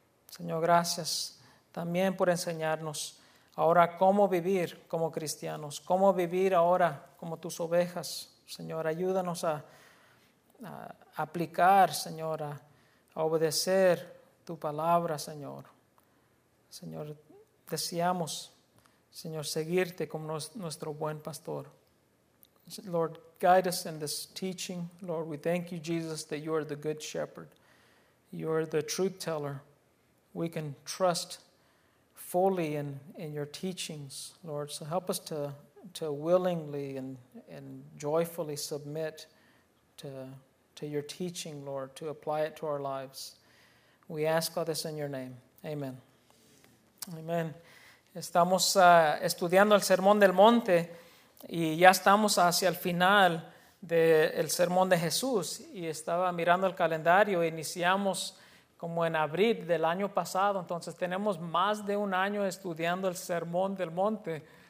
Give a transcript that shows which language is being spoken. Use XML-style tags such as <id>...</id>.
<es>Señor, gracias también por enseñarnos ahora cómo vivir como cristianos, cómo vivir ahora como tus ovejas. Señor, ayúdanos a aplicar, Señor, a obedecer tu palabra, Señor. Señor, deseamos, Señor, seguirte como nuestro buen pastor.</es> <en>Lord, guide us in this teaching. Lord, we thank you, Jesus, that you are the good shepherd. You are the truth teller. We can trust fully in your teachings, Lord. So help us to willingly and joyfully submit to your teaching, Lord, to apply it to our lives. We ask all this in your name. Amen. Amen.</en> <es>Estamos estudiando el Sermón del Monte y ya estamos hacia el final del Sermón de Jesús. Y estaba mirando el calendario e iniciamos como en abril del año pasado. Entonces tenemos más de un año estudiando el Sermón del Monte.</es>